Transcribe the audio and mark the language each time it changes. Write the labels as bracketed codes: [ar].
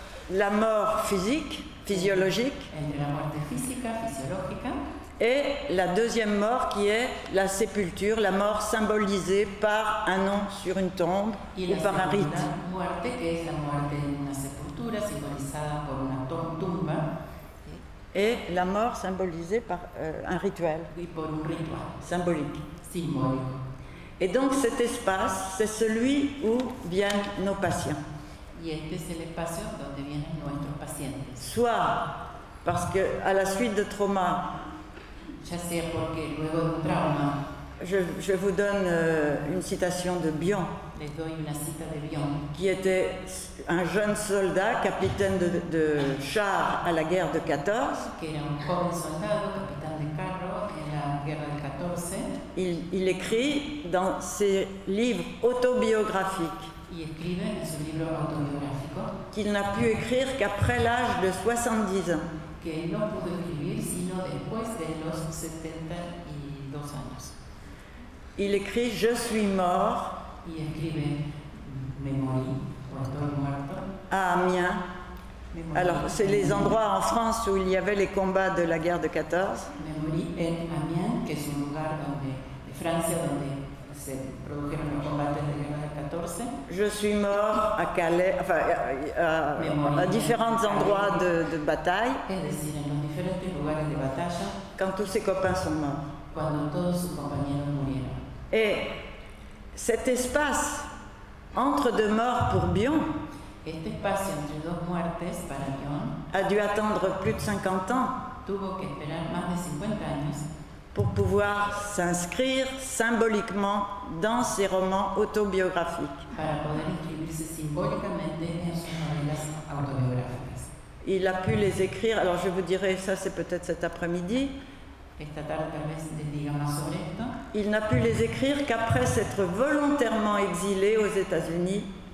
[fr] la mort physique, physiologique, [es] entre la muerte física, fisiológica, [fr] et la deuxième mort qui est la sépulture, la mort symbolisée par un nom sur une tombe ou par un rite. [es] Muerte, que es la muerte en una sepultura simbolizada por una tumba. [fr] Et la mort symbolisée par un rituel. [es] Y por un ritual. [fr] Symbolique. [es] Simbolique. [fr] Et donc cet espace, c'est celui où viennent nos patients. [es] Y este es el espacio donde vienen nuestros pacientes. [fr] Soit parce que à la suite de trauma. [es] Ya sea porque luego de un trauma. [fr] Je vous donne une citation de Bion. [es] Les doy una cita de Bion. [fr] Qui était un jeune soldat, capitaine de char à la guerre de 14. [es] Que era un joven soldado, capitán de carro en la guerra del 14. [fr] Il écrit dans ses livres autobiographiques. [es] Y escribe en su libro autobiográfico. [fr] Qu'il n'a pu écrire qu'après l'âge de 70 ans. [es] Que no pudo escribir sino después de los 72 años. [fr] Il écrit « Je suis mort » à Amiens. Alors, c'est les endroits en France où il y avait les combats de la guerre de 14. [es] Memori en Amiens, que es un lugar de Francia donde se produjeron los combates de la guerra de 14. [fr] Je suis mort à Calais, enfin, à différents endroits de bataille. [es] Es decir, en los diferentes lugares de batalla. [fr] Quand tous ses copains sont morts. [es] Cuando todos sus compañeros murieron. [fr] Et cet espace entre deux morts pour Bion, [es] este espacio entre dos muertes para Bion [fr] a dû attendre plus de 50 ans, [es] tuvo que esperar más de 50 años [fr] pour pouvoir s'inscrire symboliquement dans ses romans autobiographiques. [es] Para poder inscribirse simbólicamente en sus novelas autobiográficas. [fr] Il a pu les écrire, alors je vous dirai, ça c'est peut-être cet après-midi. [es] Esta tarde, tal vez, te diga más sobre esto. [fr] Il n'a pu les écrire qu'après s'être volontairement exilé aux États-Unis.